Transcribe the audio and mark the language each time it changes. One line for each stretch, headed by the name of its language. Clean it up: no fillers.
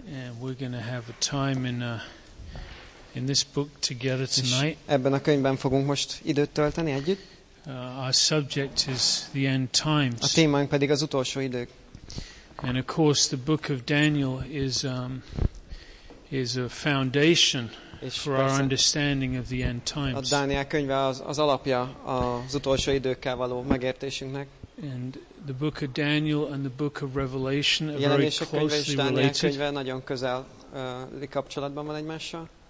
English: And we're going to have a time in this book together tonight.
Hungarian: Ebben a könyvben fogunk most időt tölteni együtt.
English: Our subject is the end times.
Hungarian: A témánk pedig az utolsó idők.
English: And of course the book of Daniel is a foundation for our understanding of the end times.
Hungarian: A Dániel könyve az alapja az utolsó időkkel való megértésünknek.
English: And the book of Daniel and the book of Revelation are very closely related.
Hungarian: Könyve nagyon közel kapcsolatban van egymással.